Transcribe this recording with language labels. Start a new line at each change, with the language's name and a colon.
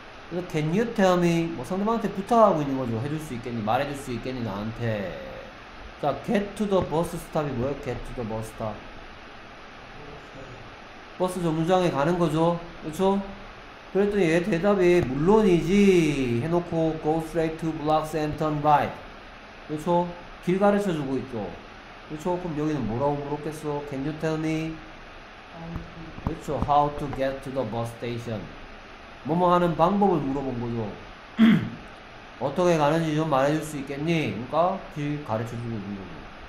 Korean: 그래서
English: can you tell me?
Korean: 뭐 상대방한테 부탁하고 있는 거죠. 해줄 수 있겠니? 말해줄 수 있겠니? 나한테. 자,
English: get to the bus stop
Korean: 이 뭐예요? get to the bus stop. 버스 정류장에 가는 거죠. 그렇죠? 그랬더니 얘 대답이 물론이지. 해놓고
English: go straight to blocks and turn right.
Korean: 그렇죠? 길 가르쳐 주고 있죠. 그렇죠? 그럼 여기는 뭐라고 물었겠어?
English: Can you tell me?
Korean: 그렇죠?
English: How to get to the bus station?
Korean: 뭐뭐 하는 방법을 물어본 거죠. 어떻게 가는지 좀 말해줄 수 있겠니? 그러니까 길 가르쳐 주고 있는 거죠.